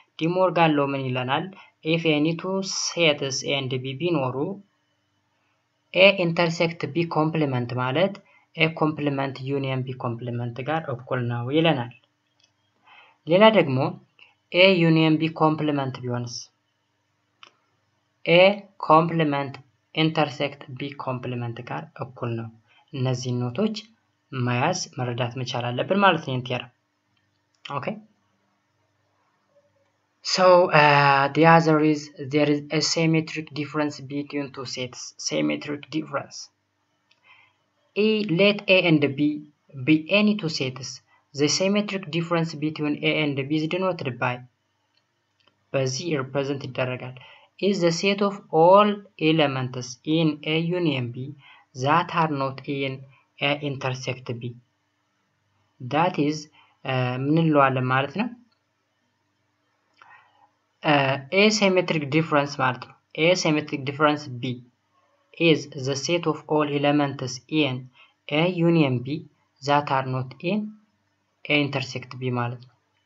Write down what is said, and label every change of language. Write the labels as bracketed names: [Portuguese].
[English] De Morgan law [Amharic] ምን ይለናል? [English] If any two sets A and B [Amharic] ቢኖሩ [English] A intersect B complement [Amharic] ማለት [English] A complement union B complement [Amharic] ጋር እኩል ነው ይለናል. ሌላ ደግሞ [English] A union B complement [Amharic] ቢሆንስ? [English] A complement intersect B complement [Amharic] ጋር እኩል ነው. እነዚህ ኖቶች ማያዝ መረዳት መቻል አለብን ማለት ነው እንትያር. [English] Okay? So the other is there is a symmetric difference between two sets. Symmetric difference. A let A and B be any two sets. The symmetric difference between A and B is denoted by. [Amharic] በዚህ represent ይደረጋል. [English] Is the set of all elements in A union B that are not in A intersect B. That is [Amharic] ምንለዋለን ማለት ነው? [English] Asymmetric difference [Amharic] ማለት ነው. [English] Asymmetric difference B is the set of all elements in A union B that are not in A intersect B ማለት ነው.